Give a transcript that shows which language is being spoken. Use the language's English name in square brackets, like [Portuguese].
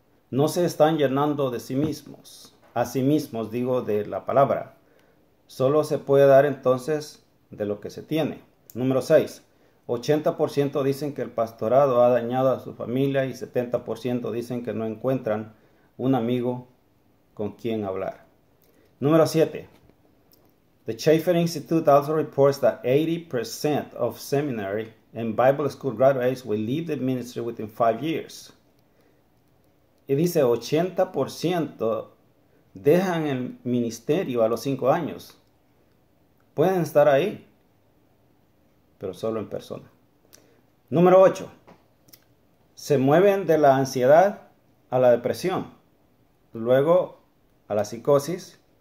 [Spanish] No se están llenando de sí mismos, a sí mismos digo de la palabra. Solo se puede dar entonces de lo que se tiene. Número 6. 80% dicen que el pastorado ha dañado a su familia y 70% dicen que no encuentran un amigo con quien hablar. Número 7. [English] The Chaffetz Institute also reports that 80% of seminary and Bible school graduates will leave the ministry within 5 years. [Spanish] Y dice 80% dejan el ministerio a los 5 años. Pueden estar ahí, pero solo en persona. Número 8. Se mueven de la ansiedad a la depresión, luego a la psicosis.